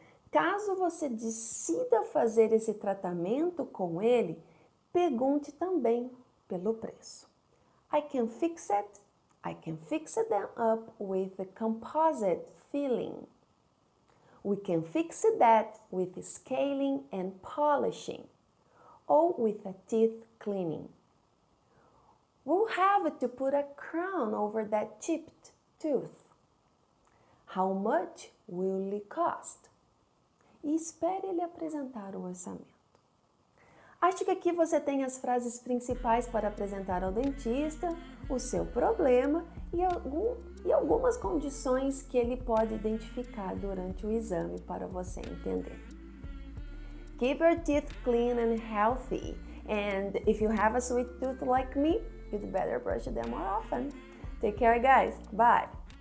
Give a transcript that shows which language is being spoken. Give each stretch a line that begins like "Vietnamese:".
Portuguese: Caso você decida fazer esse tratamento com ele, pergunte também pelo preço.
English: I can fix it. I can fix them up with a composite filling. We can fix that with scaling and polishing, or with a teeth cleaning. We'll have to put a crown over that chipped tooth. How much will it cost?
Portuguese: E espere ele apresentar o orçamento. Acho que aqui você tem as frases principais para apresentar ao dentista, o seu problema e algumas condições que ele pode identificar durante o exame para você entender.
English: Keep your teeth clean and healthy. And if you have a sweet tooth like me, you'd better brush them more often. Take care, guys. Bye.